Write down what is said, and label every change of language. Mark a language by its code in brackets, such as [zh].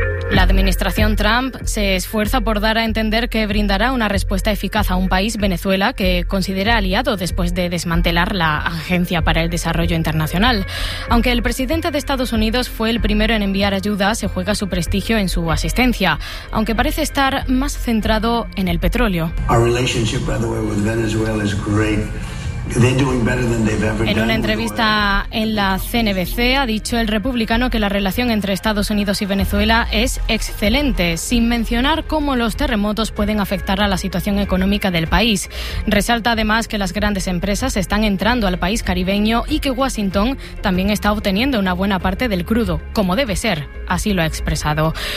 [es] La administración Trump se esfuerza por dar a entender que brindará una respuesta eficaz a un país, Venezuela, que considera aliado después de desmantelar la Agencia para el Desarrollo Internacional. Aunque el presidente de Estados Unidos fue el primero en enviar ayuda, se juega su prestigio en su asistencia, aunque parece estar más centrado en el petróleo. [en] Our relationship, by the way, with Venezuela is great. [es] En una entrevista en la CNBC ha dicho el republicano que la relación entre Estados Unidos y Venezuela es excelente, sin mencionar cómo los terremotos pueden afectar a la situación económica del país. Resalta además que las grandes empresas están entrando al país caribeño y que Washington también está obteniendo una buena parte del crudo, como debe ser, así lo ha expresado.